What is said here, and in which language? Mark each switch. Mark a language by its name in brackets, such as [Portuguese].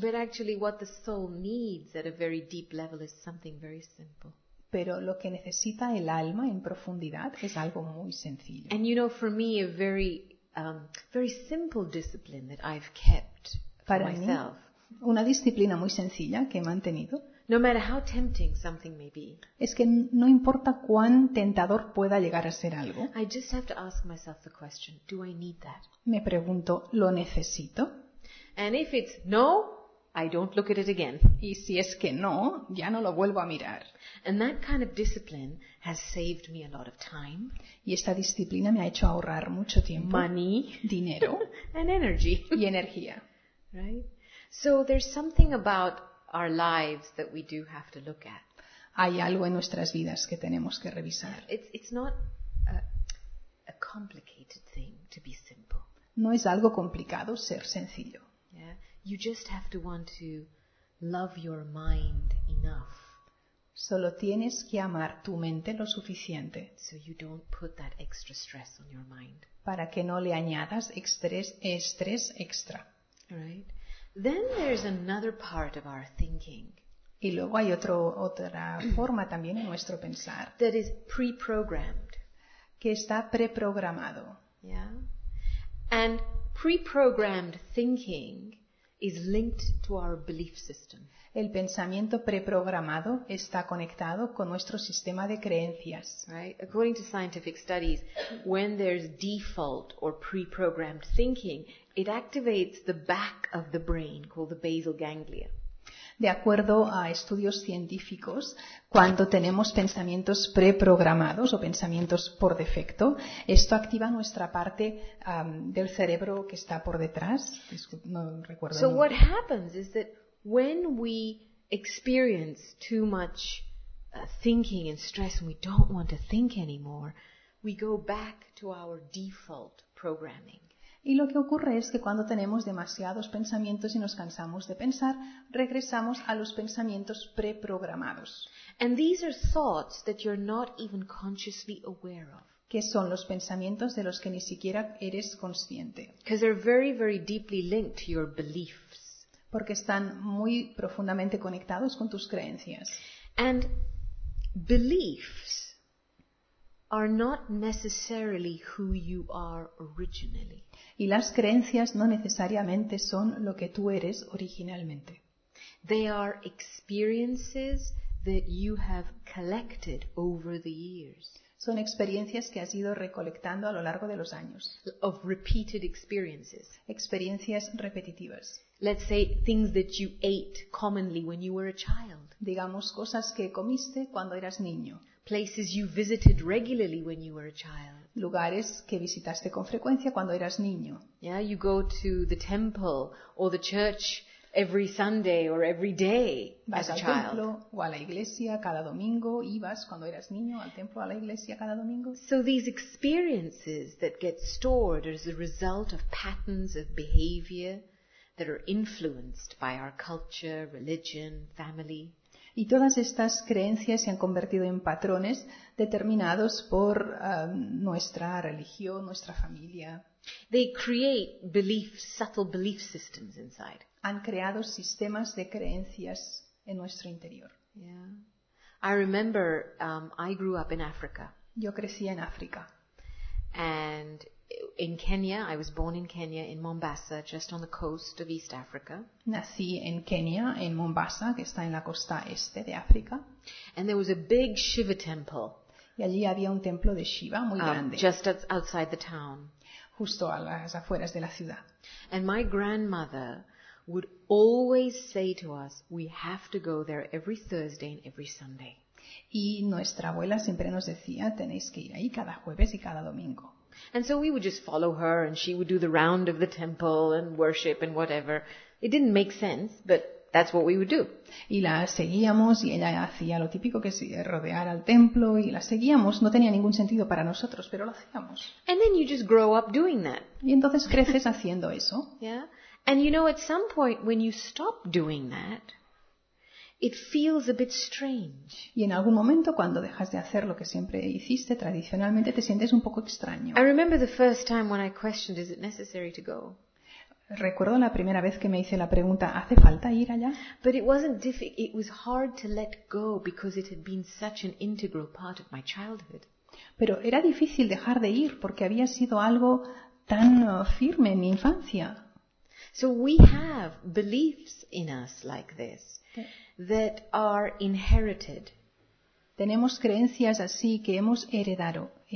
[English] But actually what the soul needs at a very deep level is something very simple. [Spanish] Pero lo que necesita el alma en profundidad es algo muy sencillo. [English] And you know, for me, a very, very simple discipline that I've kept for myself. [Spanish] Una disciplina muy sencilla que he mantenido. [English] No matter how tempting something may be, [Spanish] es que no importa cuán tentador pueda llegar a ser algo. [English] I just have to ask myself the question, do I need that? [Spanish] Me pregunto, ¿lo necesito? [English] And if it's no, I don't look at it again. [Spanish] Y si es que no, ya no lo vuelvo a mirar. [English] And that kind of discipline has saved me a lot of time. [Spanish] Y esta disciplina me ha hecho ahorrar mucho tiempo. [English] Money, [Spanish] dinero, [English] and energy. [Spanish] Y energía. [English] Right? So there's something about our lives that we do have to look at. [Spanish] Hay algo en nuestras vidas que tenemos que revisar. [English] It's not a complicated thing to be simple. [Spanish] No es algo complicado ser sencillo. [English] Yeah. You just have to want to love your mind enough. [Spanish] Solo tienes que amar tu mente lo suficiente. [English] So you don't put that extra stress on your mind. [Spanish] Para que no le añadas estrés extra. [English] Right? Then there's another part of our thinking. [Spanish] Y luego hay otra forma también en nuestro pensar. [English] That is pre-programmed. [Spanish] Que está preprogramado. [English] Yeah. And pre-programmed thinking is linked to our belief system. [Spanish] El pensamiento preprogramado está conectado con nuestro sistema de creencias. [English] Right? According to scientific studies, when there's default or pre-programmed thinking, it activates the back of the brain called the basal ganglia. [Spanish] De acuerdo a estudios científicos, cuando tenemos pensamientos preprogramados o pensamientos por defecto, esto activa nuestra parte del cerebro que está por detrás. No recuerdo. [English] So what happens is that when we experience too much thinking and stress and we don't want to think anymore, we go back to our default programming. [Spanish] Y lo que ocurre es que cuando tenemos demasiados pensamientos y nos cansamos de pensar, regresamos a los pensamientos preprogramados. [English] And these are thoughts that you're not even consciously aware of. [Spanish] Que son los pensamientos de los que ni siquiera eres consciente. [English] Because they're very, very deeply linked to your beliefs. [Spanish] Porque están muy profundamente conectados con tus creencias. [English] And beliefs are not necessarily who you are originally. [Spanish] Y las creencias no necesariamente son lo que tú eres originalmente. [English] They are experiences that you have collected over the years. [Spanish] Son experiencias que has ido recolectando a lo largo de los años. [English] Of repeated experiences. [Spanish] Experiencias repetitivas. [English] Let's say things that you ate commonly when you were a child. [Spanish] Digamos cosas que comiste cuando eras niño. [English] Places you visited regularly when you were a child. [Spanish] Lugares que visitaste con frecuencia cuando eras niño. [English] Yeah, you go to the temple or the church every Sunday or every day [Spanish] vas [English] as a [Spanish] al [English] child. [Spanish] Templo o a la iglesia cada domingo, ibas cuando eras niño al templo o a la iglesia cada domingo. [English] So these experiences that get stored as a result of patterns of behavior that are influenced by our culture, religion, family. [Spanish] Y todas estas creencias se han convertido en patrones determinados por nuestra religión, nuestra familia. [English] They create beliefs, subtle belief systems inside. [Spanish] Han creado sistemas de creencias en nuestro interior. [English] Yeah. I remember I grew up in Africa. [Spanish] Yo crecí en África. [English] And in Kenya, I was born in Kenya, in Mombasa, just on the coast of East Africa. [Spanish] Nací en Kenia, en Mombasa, que está en la costa este de África. [English] And there was a big Shiva temple. [Spanish] Y allí había un templo de Shiva muy grande. [English] Just outside the town. [Spanish] Justo a las afueras de la ciudad. [English] And my grandmother would always say to us, we have to go there every Thursday and every Sunday. [Spanish] Y nuestra abuela siempre nos decía, tenéis que ir ahí cada jueves y cada domingo. [English] And so we would just follow her and she would do the round of the temple and worship and whatever. It didn't make sense, but that's what we would do. [Spanish] Y la seguíamos y ella hacía lo típico que es rodear al templo y la seguíamos. No tenía ningún sentido para nosotros, pero lo hacíamos. [English] And then you just grow up doing that. [Spanish] Y entonces creces haciendo eso. [English] Yeah. And you know, at some point when you stop doing that, it feels a bit strange. [Spanish] Y en algún momento cuando dejas de hacer lo que siempre hiciste tradicionalmente te sientes un poco extraño. [English] I remember the first time when I questioned, is it necessary to go? [Spanish] Recuerdo la primera vez que me hice la pregunta, ¿hace falta ir allá? [English] But it wasn't difficult, it was hard to let go because it had been such an integral part of my childhood. [Spanish] Pero era difícil dejar de ir porque había sido algo tan firme en mi infancia. [English] So we have beliefs in us like this that are inherited. [Spanish] Tenemos creencias así que hemos heredado.